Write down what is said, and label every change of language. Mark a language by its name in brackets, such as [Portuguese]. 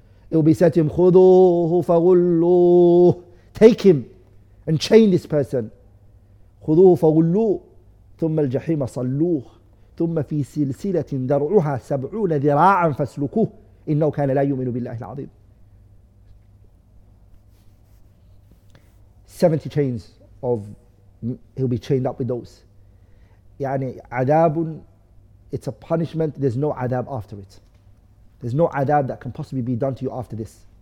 [English] It will be said to him, [Arabic] خذوه فغلوه, [English] take him and chain this person. [Arabic] خذوه فغلوه ثم الجحيم صلوه ثم في سلسلة درعها 70 ذراعا فاسلكوه إنه كان لا يؤمن بالله العظيم. [English] 70 chains of, he'll be chained up with those. [Arabic] يعني عذاب, [English] it's a punishment. There's no عذاب after it. There's no عذاب that can possibly be done to you after this.